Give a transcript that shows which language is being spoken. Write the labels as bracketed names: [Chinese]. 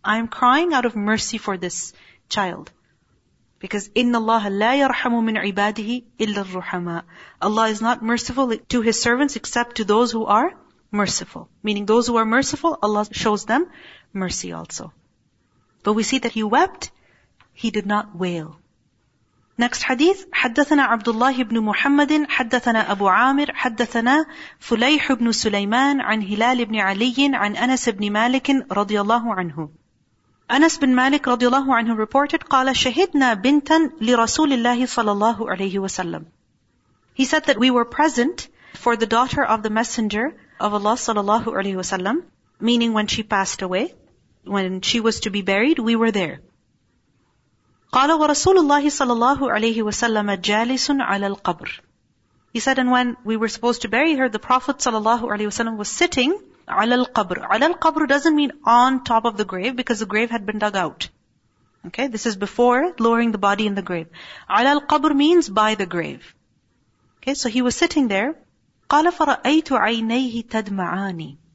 [English] I am crying out of mercy for this child, because [Arabic] inna Allah la yarhamu min ibadihi illa ar-rahama. [English] Allah is not merciful to His servants except to those who are merciful. Meaning, those who are merciful, Allah shows them mercy also. But we see that he wept; he did not wail. Next hadith, [Arabic] حدثنا عبد الله بن محمد حدثنا أبو عامر حدثنا فليح بن سليمان عن هلال بن علي عن أنس بن مالك رضي الله عنه. أنس بن مالك رضي الله عنه reported, قال شهدنا بنتا لرسول الله صلى الله عليه وسلم. [English] He said that we were present for the daughter of the messenger of Allah صلى الله عليه وسلم, meaning when she passed away, when she was to be buried, we were there. [Arabic] قال ورسول الله صلى الله عليه وسلم جالس على القبر. [English] He said, and when we were supposed to bury her, the Prophet صلى الله عليه وسلم was sitting [Arabic] على القبر. على القبر [English] doesn't mean on top of the grave, because the grave had been dug out. Okay, this is before lowering the body in the grave. [Arabic] على القبر [English] means by the grave. Okay, so he was sitting there. [Arabic] قال فرأيت عينيه تدمعاني.